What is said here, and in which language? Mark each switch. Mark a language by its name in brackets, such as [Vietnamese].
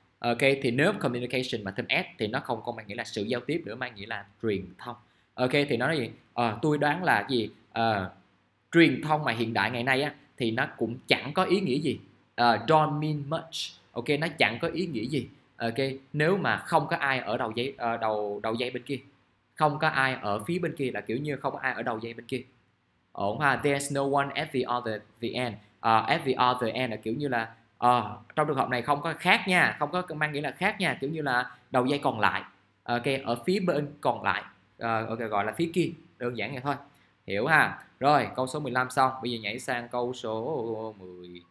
[Vietnamese] Ok, thì nếu communication mà thêm S thì nó không có mang nghĩa là sự giao tiếp nữa, mà nghĩa là truyền thông. Ok, thì nó nói gì? Tôi đoán là gì? Truyền thông mà hiện đại ngày nay á thì nó cũng chẳng có ý nghĩa gì. [English] Don't mean much. [Vietnamese] Ok, nó chẳng có ý nghĩa gì. Ok, nếu mà không có ai ở đầu dây, đầu đầu dây bên kia. Không có ai ở phía bên kia, là kiểu như không có ai ở đầu dây bên kia. Ổn ha, [English] there's no one at the other the end. At the other end [Vietnamese] là kiểu như là trong trường hợp này không có khác nha, không có mang nghĩa là khác nha, kiểu như là đầu dây còn lại. Ok, ở phía bên còn lại. Ok, gọi là phía kia, đơn giản vậy thôi. Hiểu ha? Rồi, câu số 15 xong, bây giờ nhảy sang câu số 10.